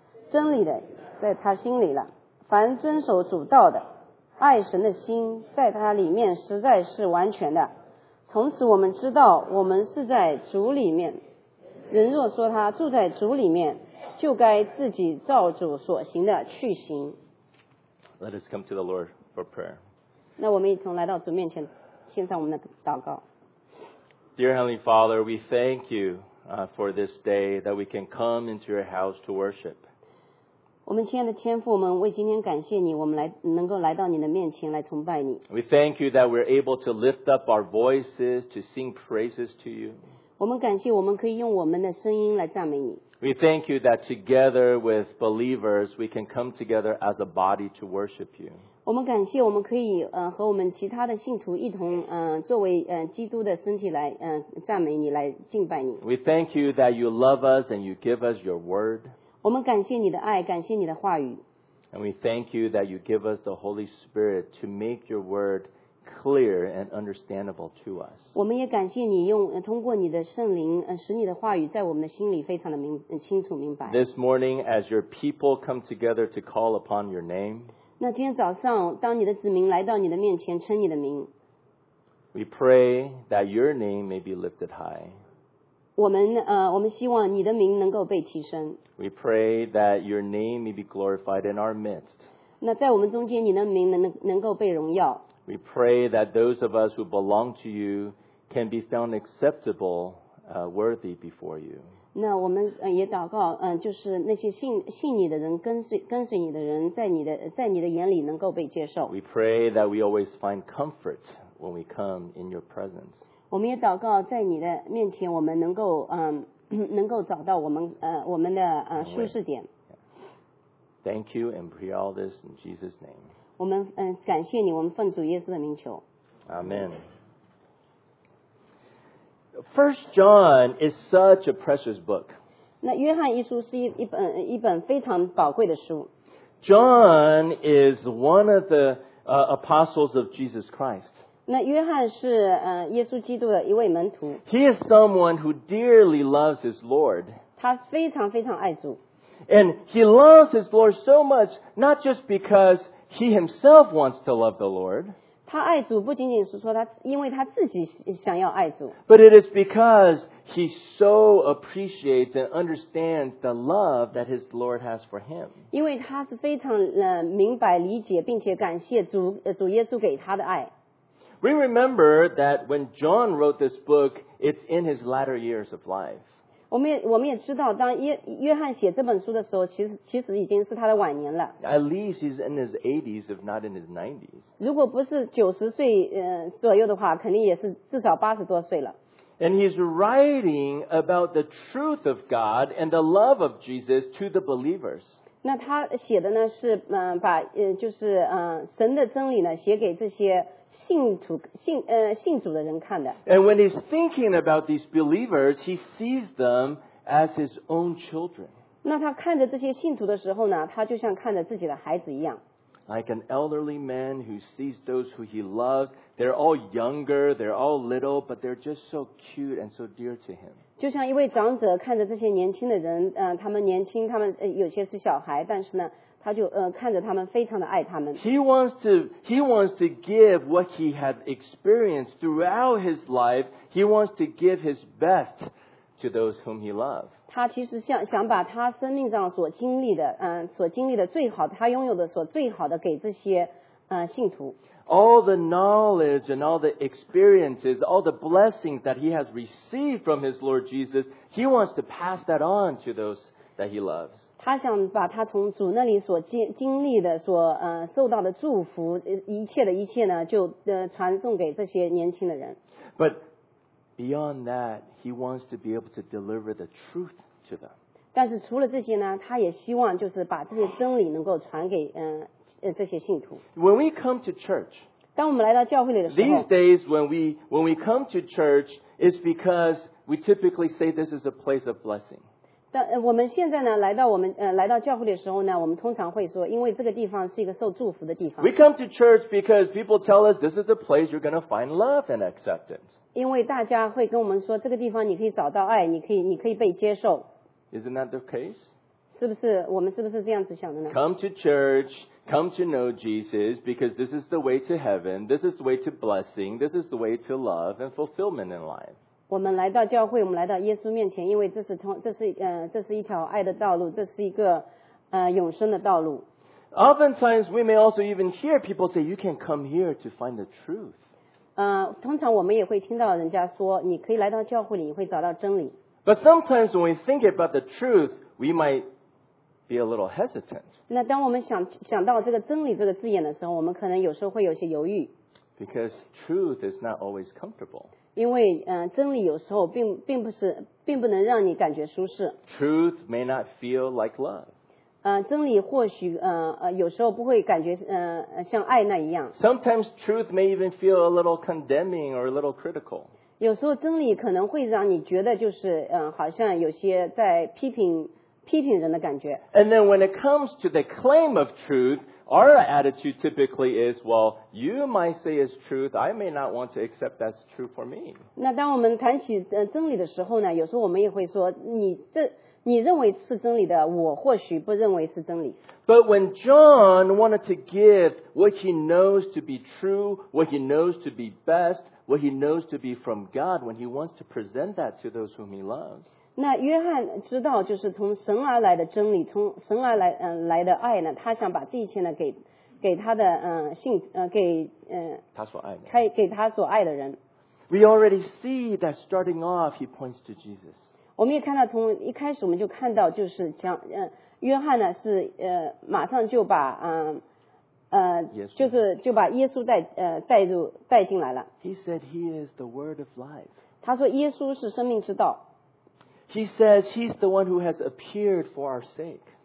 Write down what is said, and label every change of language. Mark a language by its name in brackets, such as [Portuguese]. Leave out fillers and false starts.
[Chinese] 真理的在他心里了。凡遵守主道的，爱神的心在他里面实在是完全的。从此我们知道我们是在主里面，人若说他住在主里面，就该自己照主所行的去行。 [English] Let us come to the Lord for prayer. [Chinese] 那我们一同来到主面前献上我们的祷告。 [English] Dear Heavenly Father, we thank you for this day that we can come into your house to worship. [Chinese] 我们亲爱的天父，我们为今天感谢你，我们来能够来到你的面前来崇拜你。 [English] We thank you that we're able to lift up our voices to sing praises to you. [Chinese] 我们感谢我们可以用我们的声音来赞美你。 [English] We thank you that together with believers, we can come together as a body to worship you. [Chinese] 我们感谢我们可以和我们其他的信徒一同作为基督的身体来赞美你，来敬拜你。 [English] We thank you that you love us and you give us your word. [Chinese] 我们感谢你的爱，感谢你的话语。 [English] And we thank you that you give us the Holy Spirit to make your word clear and understandable to us. [Chinese] 我们也感谢你用通过你的圣灵使你的话语在我们的心里非常的清楚明白。 [English] This morning, as your people come together to call upon your name, [Chinese] 那今天早上，当你的子民来到你的面前称你的名， [English] we pray that your name may be lifted high. [Chinese] 我们希望你的名能够被提升。 [English] We pray that your name may be glorified in our midst. [Chinese] 那在我们中间，你的名能够被荣耀。 [English] We pray that those of us who belong to you can be found acceptable, worthy before you. [Chinese] 那我们也祷告，就是那些信你的人，跟随你的人，在你的眼里能够被接受。 [English] We pray that we always find comfort when we come in your presence. [Chinese] 我们也祷告在你的面前我们能够找到我们的舒适点。 [English] Thank you and pray all this in Jesus' name. [Chinese] 我们感谢你，我们奉主耶稣的名求。 [English] Amen. 1 John is such a precious book. [Chinese] 那约翰一书是一本非常宝贵的书。 [English] John is one of the apostles of Jesus Christ. [Chinese] 那约翰是耶稣基督的一位门徒。 [English] He is someone who dearly loves his Lord. [Chinese] 他非常非常爱主。 [English] And he loves his Lord so much, not just because he himself wants to love the Lord. [Chinese] 他爱主不仅仅是说他因为他自己想要爱主。 [English] But it is because he so appreciates and understands the love that his Lord has for him. [Chinese] 因为他是非常明白理解并且感谢主耶稣给他的爱。 [English] We remember that when John wrote this book, it's in his latter years of life. [Chinese] 我们也知道，当约翰写这本书的时候，其实已经是他的晚年了。 [English] At least he's in his 80s, if not in his 90s. [Chinese] 如果不是90岁左右的话，肯定也是至少80多岁了。 [English] And he's writing about the truth of God and the love of Jesus to the believers. [Chinese] 那他写的呢是把就是神的真理呢写给这些信主的人看的。 [English] And when he's thinking about these believers, he sees them as his own children. [Chinese] 那他看着这些信徒的时候呢，他就像看着自己的孩子一样。 [English] Like an elderly man who sees those who he loves, they're all younger, they're all little, but they're just so cute and so dear to him. [Chinese] 就像一位长者看着这些年轻的人，他们年轻，他们有些是小孩，但是呢，他就看着他们，非常的爱他们。 [English] He wants to give what he had experienced throughout his life. He wants to give his best to those whom he loves. [Chinese] 他其实想把他生命上所经历的所经历的最好他拥有的所最好的给这些信徒。 [English] All the knowledge and all the experiences, all the blessings that he has received from his Lord Jesus, he wants to pass that on to those that he loves. [Chinese] 他想把他从主那里所经历的所受到的祝福一切呢就传送给这些年轻的人。 [English] But,Beyond that, he wants to be able to deliver the truth to them. [Chinese] 但是除了这些呢，他也希望就是把这些真理能够传给这些信徒。 [English] When we come to church, [Chinese] 当我们来到教会里的时候 [English] these days when we come to church, it's because we typically say this is a place of blessing. [Chinese] 但我们现在呢，来到教会的时候呢，我们通常会说，因为这个地方是一个受祝福的地方。 [English] We come to church because people tell us this is the place you're going to find love and acceptance. [Chinese] 因为大家会跟我们说，这个地方你可以找到爱，你可以被接受。 [English] Isn't that the case? [Chinese] 是不是我们是不是这样子想的呢 [English] ？Come to church, come to know Jesus, because this is the way to heaven. This is the way to blessing. This is the way to love and fulfillment in life. [Chinese] 我们来到教会，我们来到耶稣面前，因为这是一条爱的道路，这是一个永生的道路。 [English] Oftentimes, we may also even hear people say, "You can come here to find the truth." [Chinese] 通常我们也会听到人家说你可以来到教会里你会找到真理。 [English] But sometimes when we think about the truth, we might be a little hesitant. [Chinese] 那当我们想到这个真理这个字眼的时候，我们可能有时候会有些犹豫。 [English] Because truth is not always comfortable. [Chinese] 因为真理有时候并不能让你感觉舒适。 [English] Truth may not feel like love. [Chinese] 真理或许有时候不会感觉像爱那一样。 [English] Sometimes truth may even feel a little condemning or a little critical. [Chinese] 有时候真理可能会让你觉得就是好像有些在批评人的感觉。 [English] And then when it comes to the claim of truth, our attitude typically is, well, you might say it's truth, I may not want to accept that's true for me. [Chinese] 那当我们谈起真理的时候呢，有时候我们也会说，你认为是真理的，我或许不认为是真理。 [English] But when John wanted to give what he knows to be true, what he knows to be best,What he knows to be from God when he wants to present that to those whom he loves. [Chinese] 那约翰知道就是从神而来的真理，从神而来来的爱呢，他想把这一切呢给他的信给他所爱的，给他所爱的人。 [English] We already see that starting off, he points to Jesus. [Chinese] 我们也看到从一开始我们就看到就是讲约翰呢是马上就把 [English] Yes, [Chinese] 就是就把耶稣带进来了。 [English] He said he is the word of life. [Chinese] 他说耶稣是生命之道。 [English] He says he's the one who has appeared for our sake.